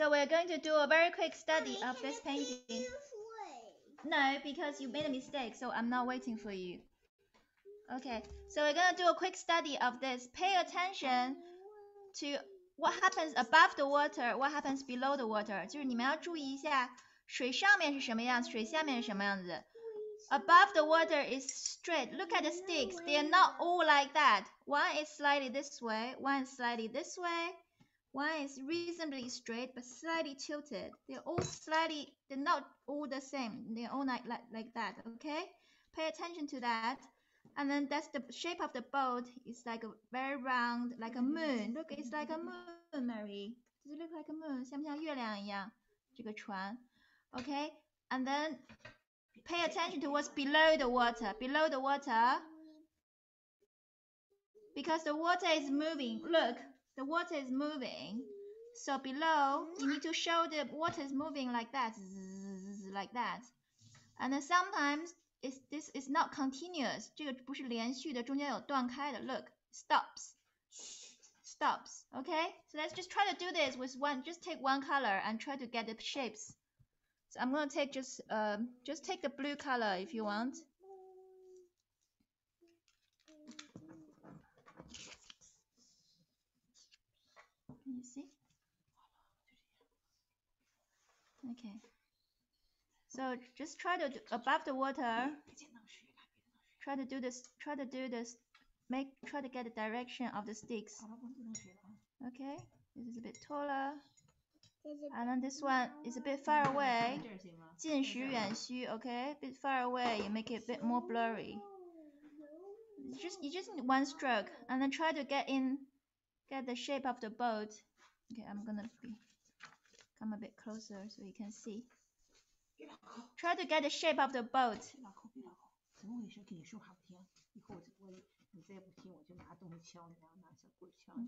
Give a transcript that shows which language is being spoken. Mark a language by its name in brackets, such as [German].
[English] Okay, so we're going to do a very quick study of this painting. Mommy, No, because you made a mistake, so I'm not waiting for you. Okay, so we're gonna do a quick study of this. Pay attention to what happens above the water, what happens below the water. [Chinese] 就是你们要注意一下水上面是什么样子，水下面是什么样子。 [English] Above the water is straight. Look at the sticks. They are not all like that. One is slightly this way, one is slightly this way. One is reasonably straight, but slightly tilted. They're not all the same. They're all like that, okay? Pay attention to that. And then that's the shape of the boat. It's like a very round, like a moon. Look, it's like a moon, Mary. Does it look like a moon? [Chinese] 像不像月亮一样？这个船 ，Okay. [English] And then pay attention to what's below the water. Below the water, because the water is moving. Look, the water is moving. So below, you need to show the water is moving like that, like that. And then sometimes. This is not continuous. [Chinese] 这个不是连续的，中间有断开的。 [English] Look, stops. Okay. So let's just try to do this with one. Just take one color and try to get the shapes. So I'm gonna take just take the blue color if you want. Can you see? Okay. So just try to do above the water. Try to get the direction of the sticks. Okay, this is a bit taller. And then this one is a bit far away. [Chinese] 近实远虚 [English] okay? A bit far away, you make it a bit more blurry. You just need one stroke. And then try to get the shape of the boat. Okay, I'm gonna come a bit closer so you can see. Try to get the shape of the boat. [Chinese] 怎么回事？给你说话不听，以后你再不听，我就拿东西敲你，拿小棍敲你。